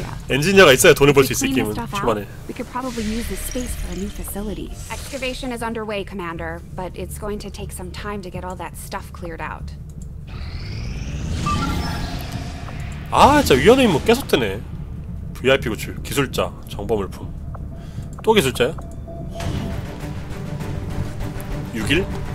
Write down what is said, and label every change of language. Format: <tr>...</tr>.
<ko>엔지니어가 있어야 돈을 벌 수 있을 게임은 초반에.</ko> <en>엑스카베이션 is underway, commander, but it's going to take some time to get all that stuff cleared out.</en> <ko>아, 진짜 위원의 임무 계속 되네. VIP 구출, 기술자, 정보물품. 또 기술자야? 6일?</ko>